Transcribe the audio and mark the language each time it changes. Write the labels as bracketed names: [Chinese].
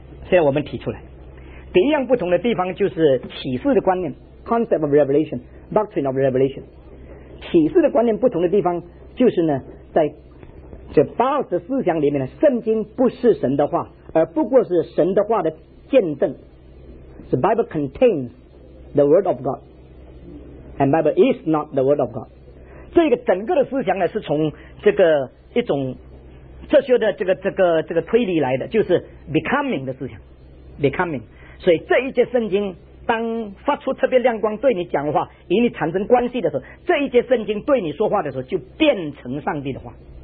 [Chinese] 现在我们提出来第一样不同的地方，就是启示的观念 concept of revelation， doctrine of revelation。启示的观念不同的地方，就是呢，在这八二十思想里面呢，圣经不是神的话，而不过是神的话的见证。 [English] The Bible contains the word of God and Bible is not the word of God。 [Chinese] 这个整个的思想呢，是从这个一种哲学的这个推理来的，就是 becoming 的思想， becoming。所以这一节圣经当发出特别亮光对你讲的话，与你产生关系的时候，这一节圣经对你说话的时候，就变成上帝的话。